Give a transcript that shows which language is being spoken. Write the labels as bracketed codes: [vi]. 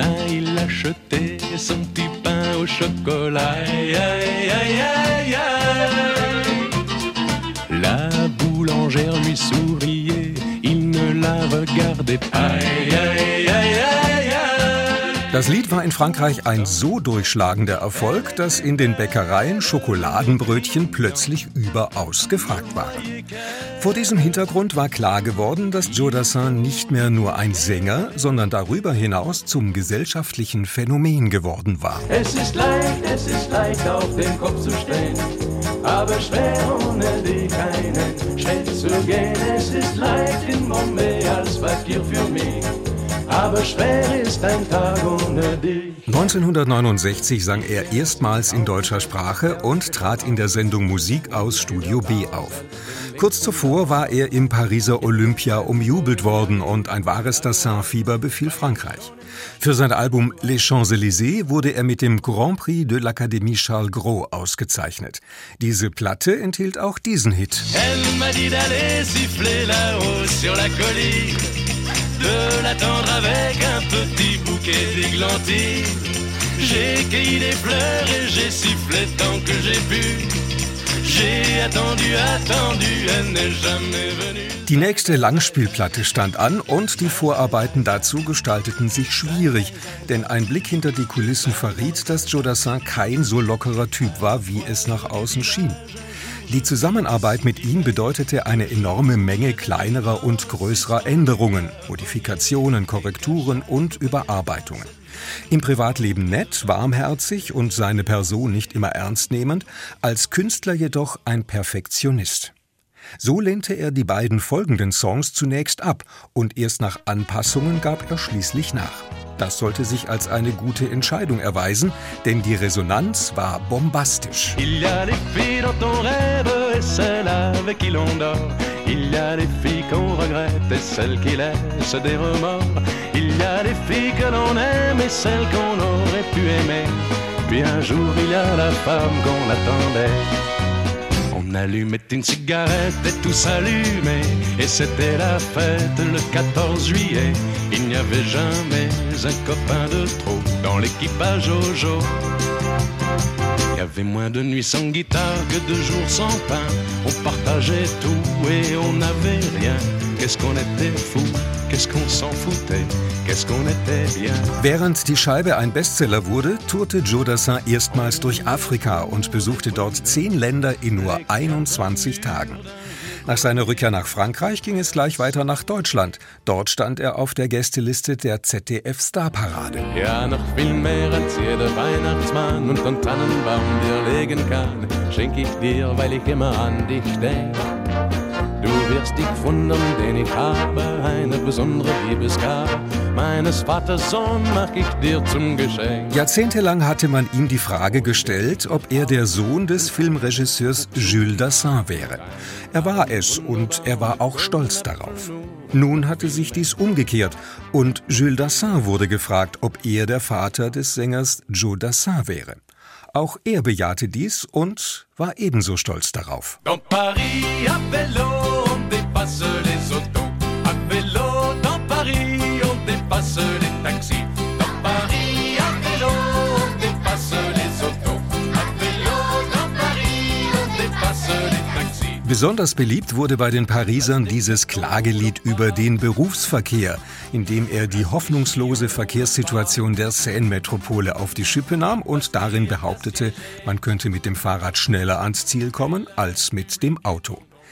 [fr] Il achetait son petit pain au chocolat. Aïe, aïe, aïe, aïe, aïe. La boulangère lui souriait, il ne la regardait pas. Aïe, aïe, aïe, aïe, aïe. [de] Das Lied war in Frankreich ein so durchschlagender Erfolg, dass in den Bäckereien Schokoladenbrötchen plötzlich überaus gefragt waren. Vor diesem Hintergrund war klar geworden, dass Joe Dassin nicht mehr nur ein Sänger, sondern darüber hinaus zum gesellschaftlichen Phänomen geworden war. Es ist leicht auf den Kopf zu stehen, aber schwer ohne dich einen Schritt zu gehen. Es ist leicht in Bombay als Fakir für mich. Aber schwer ist ein Tag ohne dich. 1969 sang er erstmals in deutscher Sprache und trat in der Sendung Musik aus Studio B auf. Kurz zuvor war er im Pariser Olympia umjubelt worden und ein wahres Dassin-Fieber befiel Frankreich. Für sein Album Les Champs-Élysées wurde er mit dem Grand Prix de l'Académie Charles Gros ausgezeichnet. Diese Platte enthielt auch diesen Hit. [fr] Elle m'a dit d'aller siffler là-haut sur la colline. De l'attendre avec un petit bouquet d'églantines. J'ai cueilli des fleurs et j'ai sifflé tant que j'ai pu. J'ai attendu, attendu, elle n'est jamais venue. [de] Die nächste Langspielplatte stand an und die Vorarbeiten dazu gestalteten sich schwierig. Denn ein Blick hinter die Kulissen verriet, dass Joe Dassin kein so lockerer Typ war, wie es nach außen schien. Die Zusammenarbeit mit ihm bedeutete eine enorme Menge kleinerer und größerer Änderungen, Modifikationen, Korrekturen und Überarbeitungen. Im Privatleben nett, warmherzig und seine Person nicht immer ernst nehmend, als Künstler jedoch ein Perfektionist. So lehnte er die beiden folgenden Songs zunächst ab und erst nach Anpassungen gab er schließlich nach. Das sollte sich als eine gute Entscheidung erweisen, denn die Resonanz war bombastisch. [fr] Il y a des filles dans ton rêve et celles avec qui l'on dort. Il y a des filles qu'on regrette et celles qui laissent des remords. Il y a des filles que l'on aime et celles qu'on aurait pu aimer. Puis un jour il y a la femme qu'on attendait. On allumait une cigarette et tout s'allumait. Et c'était la fête le 14 juillet. Il n'y avait jamais un copain de trop dans l'équipage Jojo. Il y avait moins de nuits sans guitare que de jours sans pain. On partageait tout et on n'avait rien. Qu'est-ce qu'on était fou, qu'est-ce qu'on s'en foutait, qu'est-ce qu'on était bien. [de] Während die Scheibe ein Bestseller wurde, tourte Joe Dassin erstmals durch Afrika und besuchte dort 10 Länder in nur 21 Tagen. Nach seiner Rückkehr nach Frankreich ging es gleich weiter nach Deutschland. Dort stand er auf der Gästeliste der ZDF-Starparade. Ja, noch viel mehr als jeder Weihnachtsmann und von Tannenbaum dir legen kann, schenk ich dir, weil ich immer an dich denk. Du wirst dich wundern, denn ich habe eine besondere Liebesgabe. Meines Vaters Sohn mach ich dir zum Geschenk. Jahrzehntelang hatte man ihm die Frage gestellt, ob er der Sohn des Filmregisseurs Jules Dassin wäre. Er war es und er war auch stolz darauf. Nun hatte sich dies umgekehrt und Jules Dassin wurde gefragt, ob er der Vater des Sängers Joe Dassin wäre. Auch er bejahte dies und war ebenso stolz darauf. [fr] Dans Paris, à vélo, on dépasse les autos. À vélo, dans Paris, on dépasse les taxis. Dans Paris, à vélo, on dépasse les autos. À vélo, dans Paris, on dépasse les taxis. [de] Besonders beliebt wurde bei den Parisern dieses Klagelied über den Berufsverkehr, in dem er die hoffnungslose Verkehrssituation der Seine-Metropole auf die Schippe nahm und darin behauptete, man könnte mit dem Fahrrad schneller ans Ziel kommen als mit dem Auto.